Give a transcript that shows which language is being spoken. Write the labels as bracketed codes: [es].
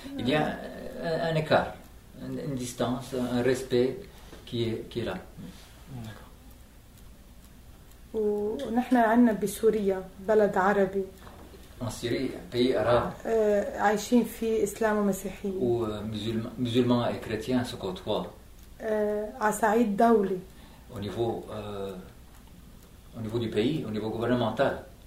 [fr] Il y a un écart, une distance, un respect qui est là. [ar] ونحن عنا بسوريا بلد عربي. [fr] En Syrie, pays arabe. [ar] عايشين في إسلام ومسيحية. [fr] Où musulmans et chrétiens se côtoient. [ar] À صعيد دولي. [fr] Au niveau du pays, au niveau gouvernemental.